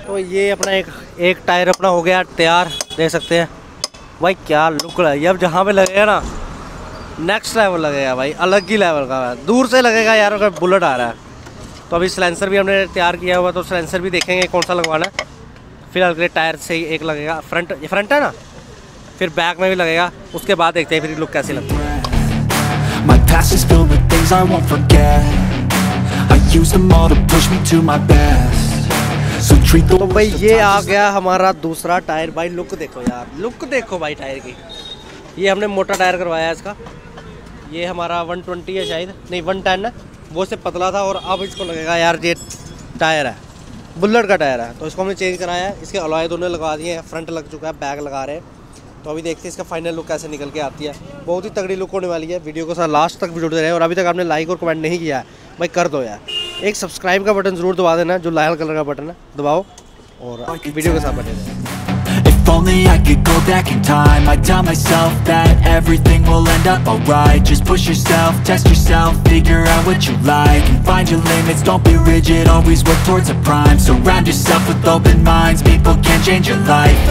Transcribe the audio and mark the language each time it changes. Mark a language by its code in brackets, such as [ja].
[hi] तो ये अपना एक टायर अपना हो गया तैयार, देख सकते हैं भाई क्या लुक रहा है। अब जहाँ पे लगेगा ना नेक्स्ट लेवल लगेगा भाई, अलग ही लेवल का है। दूर से लगेगा यार अगर बुलेट आ रहा है तो। अभी सिलेंसर भी हमने तैयार किया हुआ, तो सिलेंसर भी देखेंगे कौन सा लगवाना है। फिलहाल के लिए टायर से ही एक लगेगा, फ्रंट है ना, फिर बैक में भी लगेगा, उसके बाद देखते हैं फिर लुक कैसी लगती है। [en] My past is filled with things I won't forget. I use them all to push me to my best. So treat the worst. [hi] ये आ गया हमारा दूसरा टायर भाई, लुक देखो यार, लुक देखो भाई टायर की। ये हमने मोटा टायर करवाया है इसका, ये हमारा 120 है शायद, नहीं 110 है, वो से पतला था, और अब इसको लगेगा यार ये टायर है। बुलेट का टायर है, तो इसको हमने चेंज कराया है। इसके अलॉय दोनों लगा दिए हैं, फ्रंट लग चुका है, बैक लगा रहे हैं। तो अभी देखते हैं इसका फाइनल लुक कैसे निकल के आती है। बहुत ही तगड़ी लुक होने वाली है। वीडियो को साथ लास्ट तक जुड़ते रहे, और अभी तक आपने लाइक और कमेंट नहीं किया है भाई कर दो यार। एक सब्सक्राइब का बटन जरूर दबा देना, जो लाल कलर का बटन है दबाओ, और वीडियो के साथ बने रहना। [en] If only I could go back in time, I'd tell myself that everything will end up alright. Just push yourself, test yourself, figure out what you like, and find your limits, don't be rigid, always work towards a prime. Surround yourself with open minds, people can change your life.